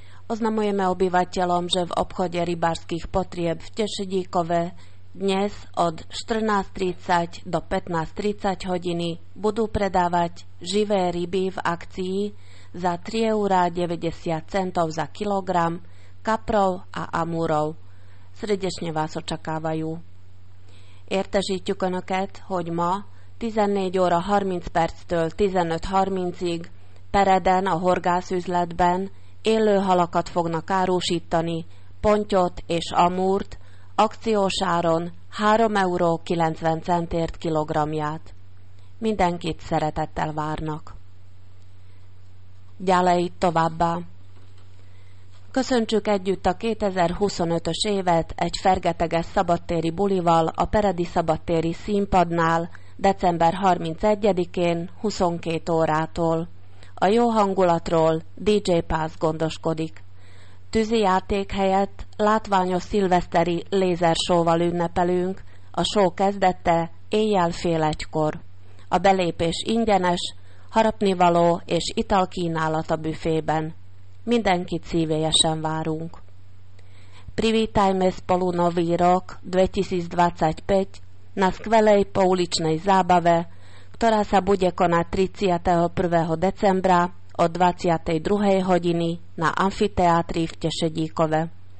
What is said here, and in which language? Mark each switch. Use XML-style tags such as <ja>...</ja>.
<sk>Oznamujeme obyvateľom, že v obchode rybárskych potrieb v Tešedíkove dnes od 14.30 do 15.30 hodiny budú predávať živé ryby v akcii za 3,90 € za kilogram kaprov a amúrov. Srdečne vás očakávajú.</sk> <hu>Értesítjük Önöket, hogy ma 14:30-től 15:30-ig Pereden a horgászüzletben élő halakat fognak árusítani, pontyot és amúrt, akciós áron 3,90 € kilogramját. Mindenkit szeretettel várnak. Gyálej továbbá! Köszöntsük együtt a 2025-ös évet egy fergeteges szabadtéri bulival a Peredi Szabadtéri Színpadnál december 31-én 22 órától. A jó hangulatról DJ Pass gondoskodik. Tűzi játék helyett látványos szilveszteri lézersóval ünnepelünk, a show kezdete éjjel fél egykor. A belépés ingyenes, harapnivaló és italkínálat a büfében. Mindenkit szívélyesen várunk.</hu> <sk>Privítajme spolu nový rok 2025 na skvelej pouličnej zábave, ktorá sa bude konať 31. decembra o 22. hodiny na amfiteátri v Tešedíkove.</sk>